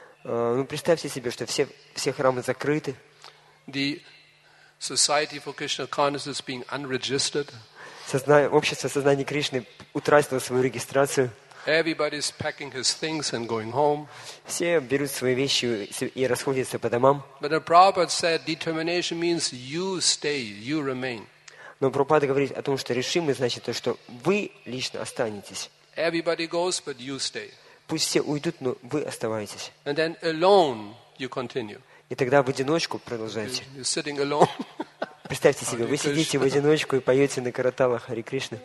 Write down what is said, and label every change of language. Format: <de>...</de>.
<ru>Ну, представьте себе, что все храмы закрыты.</ru> <en>The Society for Krishna Consciousness being unregistered.</en> <ru>Общество сознания Кришны утратило свою регистрацию.</ru> <en>Everybody's packing his things and going home.</en> <ru>Все берут свои вещи и расходятся по домам.</ru> <en>But the Prabhupada said determination means you stay, you remain.</en> <ru>Но Прабхупада говорит о том, что решимость значит то, что вы лично останетесь.</ru> <en>Everybody goes, but you stay.</en> <ru>Пусть все уйдут, но вы оставаетесь.</ru> <en>And then alone you continue.</en> <ru>И тогда в одиночку продолжайте.</ru> <en>You're sitting alone.</en> <ru>Представьте себе, вы сидите в одиночку и поете на караталах Хари Кришны.</ru>